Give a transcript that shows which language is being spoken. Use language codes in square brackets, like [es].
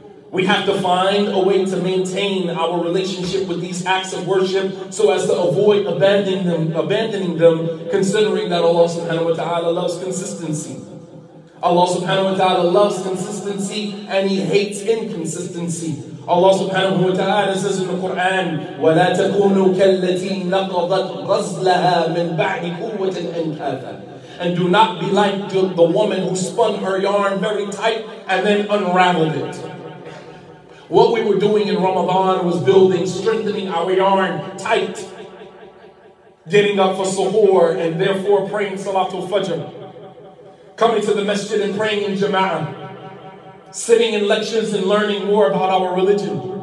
[en] We have to find a way to maintain our relationship with these acts of worship so as to avoid abandoning them, considering that Allah subhanahu wa ta'ala loves consistency. Allah subhanahu wa ta'ala loves consistency and He hates inconsistency. Allah subhanahu wa ta'ala says in the Quran, [ar] وَلَا تَكُونُوا كَالَّتِي نَقَضَتْ غَزْلَهَا مِنْ بَعْدِ قُوَّةٍ أَنْكَاثًا. [en] And do not be like the woman who spun her yarn very tight and then unraveled it. What we were doing in Ramadan was building, strengthening our yarn tight, getting up for suhoor and therefore praying Salatul Fajr, coming to the masjid and praying in Jama'ah, sitting in lectures and learning more about our religion,